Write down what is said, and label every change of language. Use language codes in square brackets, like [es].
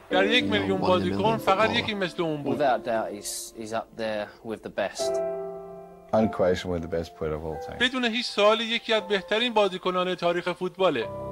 [fa] در یک میلیون بازیکن فقط یکی مثل اون بود. [en] Without doubt, he's up there with the best. Unquestionably the best player of all time. [fa] بدون هیچ سوالی یکی از بهترین بازیکنان تاریخ فوتباله.